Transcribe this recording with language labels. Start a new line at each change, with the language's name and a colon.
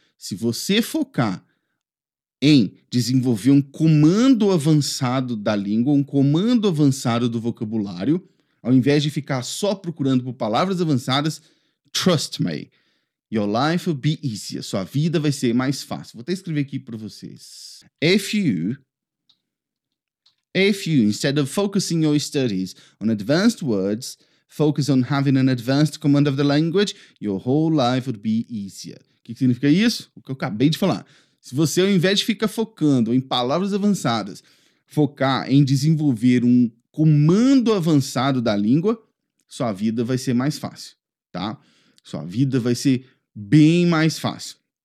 Portuguese: Se você focar em desenvolver um comando avançado da língua, um comando avançado do vocabulário, ao invés de ficar só procurando por palavras avançadas,
English: trust me, Your life will be easier.
Portuguese: Sua vida vai ser mais fácil. Vou até escrever aqui para vocês.
English: If you, instead of focusing your studies on advanced words, focus on having an advanced command of the language, your whole life would be easier.
Portuguese: O que significa isso? O que eu acabei de falar. Se você, ao invés de ficar focando em palavras avançadas, focar em desenvolver um comando avançado da língua, sua vida vai ser mais fácil, tá? Sua vida vai ser bem mais fácil.